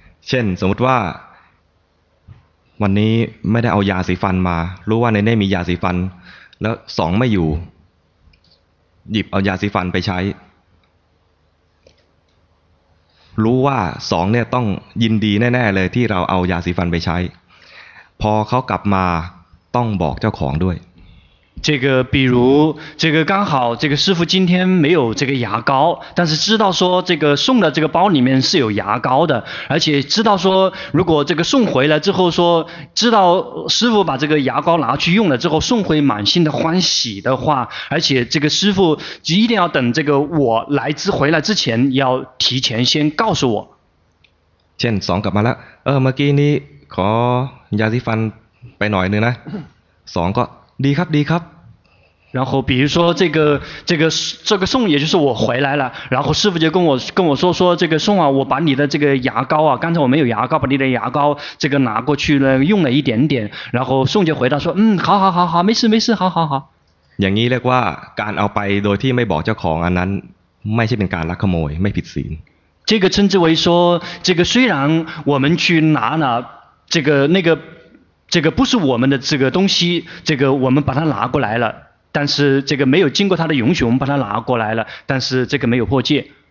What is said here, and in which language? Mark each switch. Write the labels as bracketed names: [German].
[Thai] เช่นสมมติว่าวันนี้ไม่ได้เอายาสีฟันมารู้ว่าในนี้มียาสีฟันแล้วสองไม่อยู่หยิบเอายาสีฟันไปใช้รูู้้ว่าสองเนี่ยต้องยินดีแน่ๆเลยที่เราเอายาสีฟันไปใช้พอเขากลับมาต้องบอกเจ้าของด้วย [Chinese] 这个比如这个刚好这个师傅今天没有这个牙膏但是知道说这个送的这个包里面是有牙膏的而且知道说如果这个送回来之后说知道师傅把这个牙膏拿去用了之后送回满心的欢喜的话而且这个师傅一定要等这个我来之回来之前要提前先告诉我先送回来了 [Thai] เมื่อกี้นี้ขอยาสีฟันไปหน่อยนึงนะสองก็ดีครับดีครับ [Chinese] 然后比如说这个送也就是我回来了然后师傅就跟我说这个送啊我把你的这个牙膏啊刚才我没有牙膏把你的牙膏这个拿过去呢用了一点点然后送就回答说嗯好好好好没事没事好好好 [Thai] อย่างนี้เรียกว่าการเอาไปโดยที่ไม่บอกเจ้าของอันนั้นไม่ใช่เป็นการลักขโมยไม่ผิดศีล [Chinese] 这个称之为说这个虽然我们去拿了这个那个这个不是我们的这个东西这个我们把它拿过来了但是这个没有经过他的允许我们把它拿过来了但是这个没有破戒